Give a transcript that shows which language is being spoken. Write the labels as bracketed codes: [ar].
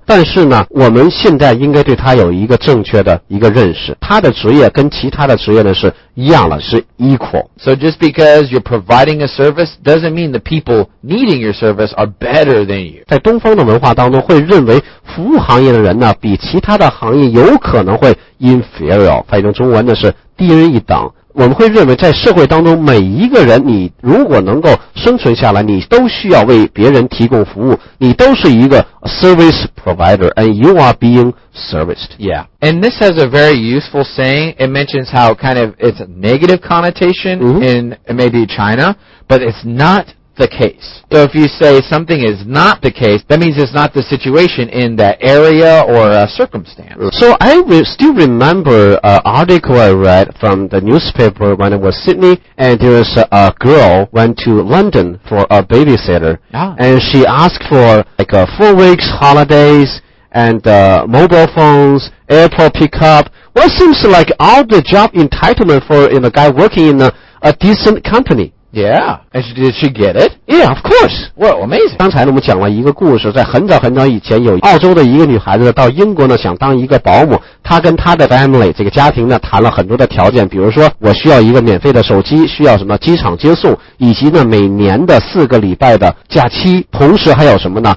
[zh] 但是呢，我们现在应该对他有一个正确的一个认识，他的职业跟其他的职业呢是一样的，是 equal。 [en] So just because you're providing a service doesn't mean the people needing your service are better than you. [zh] 在东方的文化当中会认为服务行业的人呢比其他的行业有可能会 inferior， 翻译成中文呢是低人一等。我们会认为在社会当中每一个人，你如果能够生存下来，你都需要为别人提供服务，你都是一个 [en] service provider and you are being serviced. Yeah. And this has a very useful saying. It mentions how kind of it's a negative connotation、mm-hmm. in maybe China, but it's not the case. So if you say something is not the case, that means it's not the situation in that area or a circumstance. So I still remember an article I read from the newspaper when it was Sydney, and there was a girl went to London for a babysitter. Ah. And she asked for like a 4 weeks holidays and mobile phones, airport pickup. What seems like all the job entitlement for you know, a guy working in a decent company. Yeah, and did she get it? Yeah, of course. Well, amazing. [zh] 刚才我们讲了一个故事，在很早很早以前，有澳洲的一个女孩子到英国呢，想当一个保姆。她跟她的 family 这个家庭呢，谈了很多的条件，比如说我需要一个免费的手机，需要什么机场接送，以及呢每年的四个礼拜的假期，同时还有什么呢？